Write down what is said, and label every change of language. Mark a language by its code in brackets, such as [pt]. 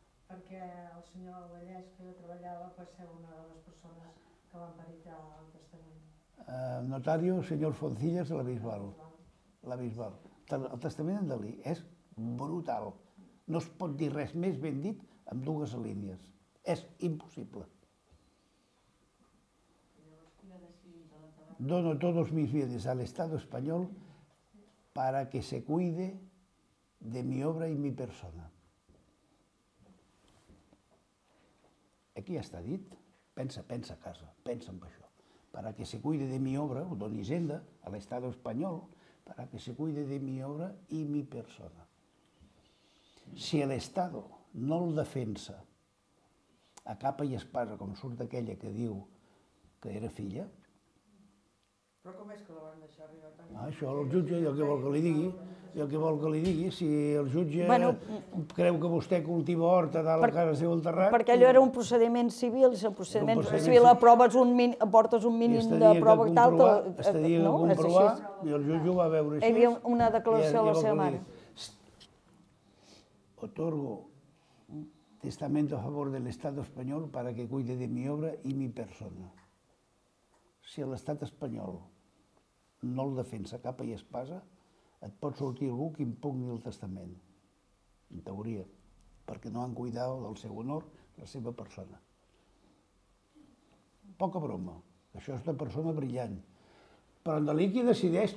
[ca] Perquè el senyor Vallès, que treballava, va ser una de les persones que van veritar el testament. Notario, senyor Foncillas de la Bisbal. La Bisbal. El testament d'en Dalí és brutal. No es pot dir res més ben dit amb dues línies. És impossible. [es] Dono todos mis bienes al Estado español para que se cuide de mi obra y mi persona. [ca] Aquí ja està dit. Pensa a casa, pensa en això. [es] Para que se cuide de mi obra, [ca] ho doni Hisenda, a l'Estat espanyol, [es] para que se cuide de mi obra y mi persona. [ca] Si l'Estat no el defensa a capa i espasa, com surt aquella que diu que era filla... Però com és que la van deixar arribar tan... Ah, això, el jutge, jo què vol que li digui? Jo què vol que li digui? Si el jutge, bueno, creu que vostè cultiva horta dalt a casa seu al terrat... Perquè allò era un procediment civil, si el procediment, civil aproves un portes un mínim de prova que tal... Estaria de comprovar, i el jutge ho va veure així. Hi havia una declaració a la seva mare. [es] Otorgo testamento a favor del Estado español para que cuide de mi obra y mi persona. [ca] Si l'Estat espanyol no el defensa capa i espasa, et pot sortir algú que impugni el testament, en teoria, perquè no han cuidat del seu honor la seva persona. Poca broma, això és una persona brillant. Però en Dalí qui decideix?